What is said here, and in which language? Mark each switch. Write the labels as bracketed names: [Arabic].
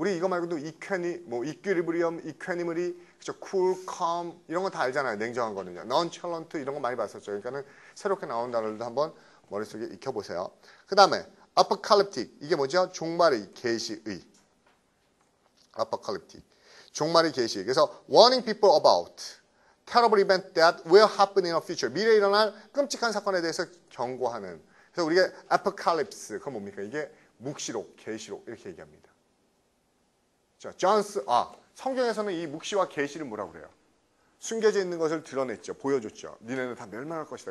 [Korean] 우리 이거 말고도 이퀘니 뭐 이퀴리브리엄, 이퀘니머리, 그렇죠? 쿨, 캄 이런 거다 알잖아요. 냉정한 거는요. 넌챌런트 이런 거 많이 봤었죠. 그러니까는 새롭게 나온 단어들도 한번 머릿속에 익혀보세요. 그다음에 아포칼립틱 이게 뭐죠? 종말의 계시의. 아포칼립틱 종말의 계시. 그래서 [English] warning people about terrible event that will happen in the future. [Korean] 미래에 일어날 끔찍한 사건에 대해서 경고하는. 그래서 우리가 아포칼립스 그건 뭡니까? 이게 묵시록, 계시록 이렇게 얘기합니다. 자, 존스, 아, 성경에서는 이 묵시와 계시를 뭐라고 그래요? 숨겨져 있는 것을 드러냈죠. 보여줬죠. 니네는 다 멸망할 것이다.